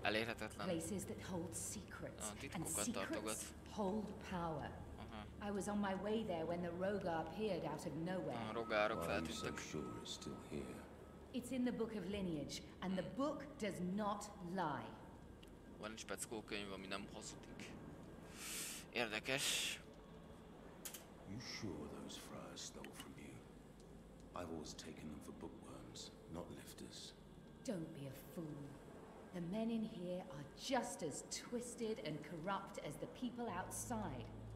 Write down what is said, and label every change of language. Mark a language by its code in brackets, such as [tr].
[hu] Elérhetetlen. [en] Places that hold secrets. [hu] Titkokat tartogat. [en] Hold power. Uh-huh. I was on my way there when the rogar appeared out of nowhere. [hu] Rogárok feltűntek. [en] I'm sure it's still here. It's in the book of lineage, and the book does not lie. [hu] Van egy speckó könyv, ami nem hazudik. Érdekes. [en] You sure those friars stole from you? I've always taken them for bookworms, not lifters. Don't be a fool. The men in here are just as twisted and corrupt as the people outside.